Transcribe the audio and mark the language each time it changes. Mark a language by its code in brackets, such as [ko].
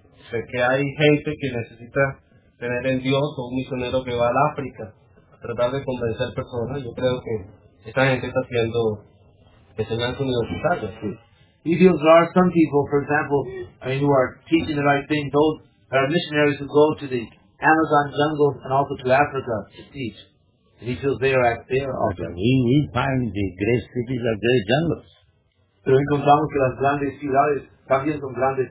[es] Sé que hay gente que necesita tener en Dios, o un misionero que va a África a tratar de convencer personas. Yo creo que esta gente está haciendo enseñanza universitaria. Sí. [en] He feels there are some people, for example, who are teaching the right thing. Those are missionaries who go to the Amazon jungle and also to Africa to teach. And he feels they are at their altar. We find the great cities are great jungles. [es] Pero encontramos que las grandes ciudades también son grandes.